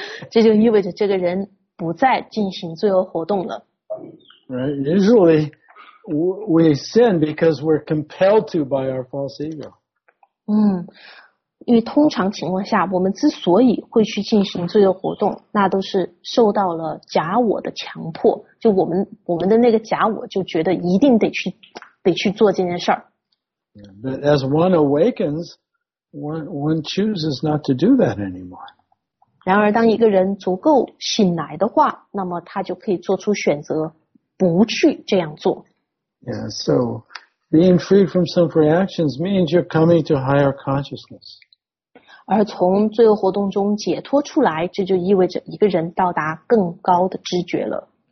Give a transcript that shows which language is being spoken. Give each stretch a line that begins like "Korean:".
Chinese: 这就意味着这个人不再进行罪恶活动了。
English: Right. Usually, we sin because we're compelled to by our false ego. 嗯。
Chinese: 因为通常情况下我们之所以会去进行罪恶活动，那都是受到了假我的强迫，就我们的那个假我就觉得一定得去做这件事儿。
English: But as one awakens, one chooses not to do that anymore.
Chinese: 然而当一个人足够醒来的话，那么他就可以做出选择不去这样做。
English: Yeah, so... Being free from sinful reactions means you're coming to higher consciousness.
Chinese: 而从罪恶活动中解脱出来，这就意味着一个人到达更高的知觉了。